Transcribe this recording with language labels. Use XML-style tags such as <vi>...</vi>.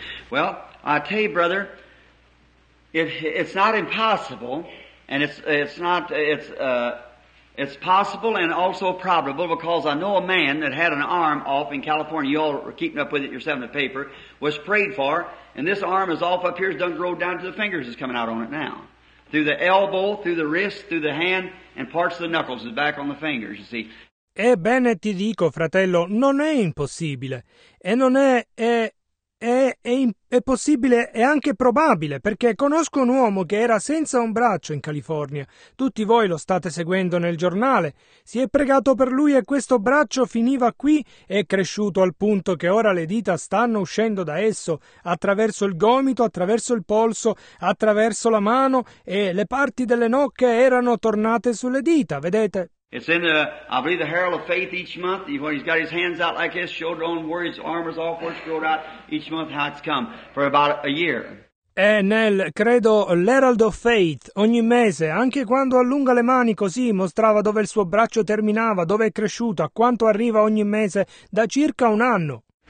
<en>Well, I tell you, brother, it's not impossible, and it's possible and also probable, because I know a man that had an arm off in California. You all are keeping up with it yourself in the paper, was prayed for, and this arm is off up here, it's done grow down to the fingers, is coming out on it now. Through the elbow, through the wrist, through the hand, and parts of the knuckles is back on the fingers, you see.</en> <it>Ebbene, ti dico, fratello, non è impossibile, e non è... È possibile e anche probabile, perché conosco un uomo che era senza un braccio in California. Tutti voi lo state seguendo nel giornale. Si è pregato per lui e questo braccio finiva qui, è cresciuto al punto che ora le dita stanno uscendo da esso, attraverso il gomito, attraverso il polso, attraverso la mano, e le parti delle nocche erano tornate sulle dita, vedete?</it> <en>It's in the, I believe, the Herald of Faith each month, when he's got his hands out like his shoulder on, where his arm is off, where it's grown out each month, how it's come, for about a year.</en> <it>E nel, credo, l'Herald of Faith, ogni mese, anche quando allunga le mani così, mostrava dove il suo braccio terminava, dove è cresciuto, a quanto arriva ogni mese, da circa un anno.</it>